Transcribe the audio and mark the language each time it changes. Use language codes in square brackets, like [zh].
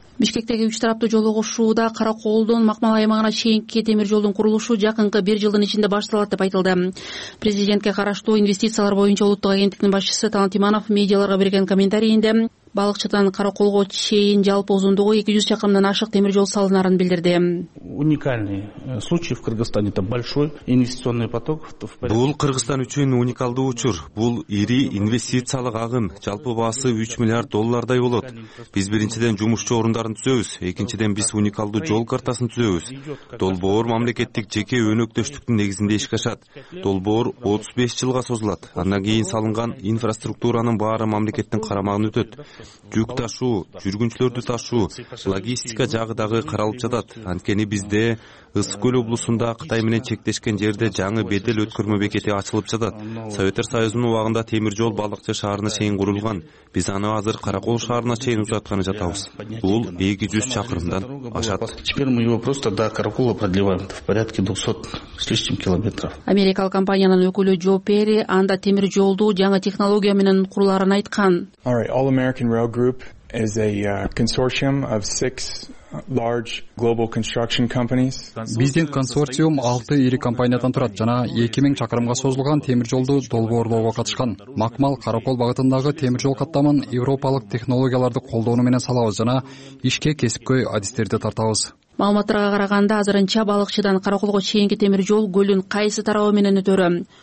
[ky] Бишкектеги үч тараптуу жол кошууда Каракоолдон Макмал аймагына чейинки темир жолдун курулушу жакынкы бир жылдын ичинде башталат деп айтылды. Президентке караштуу инвестициялар боюнча улуттук агенттиктин башчысы Талант Иманов медиаларга берген комментарийинде Балыкчыдан Каракоолго чейин жалпы узундугу 200 чакырымдан ашык темир жол салынарын билдирди. [ru] Уникальный случай в Кыргызстане, это большой инвестиционный поток. [ky] Бул Кыргызстан үчүн уникалдуу учур. Бул ири инвестициялык агым, жалпы баасы 3 миллиард доллардай болот. Биз биринчиден жумушчу орундарын түзөбүз, экинчиден биз уникалдуу жол картасын түзөбүз. Долбоор мамлекеттик жеке өнөктөштүктүн негизинде иш кашат. Долбоор 35 жылга созулат. Андан кийин салынган инфраструктуранын баары мамлекеттин карамагына өтөт. Жүк ташуу, жүргүнчүлөрдү ташуу, логистика жагы дагы каралып жатат. Анткени бизде Ысык Көл облусунда Кытай менен чектешкен жерде жаңы бедел өткөрмө бекети ачылып жатат. Советтер Союзунун убагында темир жол Балыкчы шаарына чейин курулган. Биз аны азыр Каракол шаарына чейин узатканы жатабыз. Бул 200 чакырымдан ашат. [ru] Теперь мы его просто до Каракола продлеваем. В порядке 200 с лишним километров. [ky] Америкалык компаниянын өкүлү Джо Перри анда темир жолду жаңы технология менен куруларын айткан. [en] All right, All American Rail Group is a consortium of 6 large global construction companies. [ky] Биздин консорциум 6 ири компаниядан турат жана 2000 чакырымга созулган темир жолду долбоорлоого катышкан. Макмал Каракол багытындагы темир жол каттамын европалык технологияларды колдонуу менен салабыз жана ишке кесипкөй адистерди тартабыз. Маалыматтарга караганда, азырынча Балыкчыдан Каракулго чейинки темир жол көлүн кайсы тарабы менен өтөрү?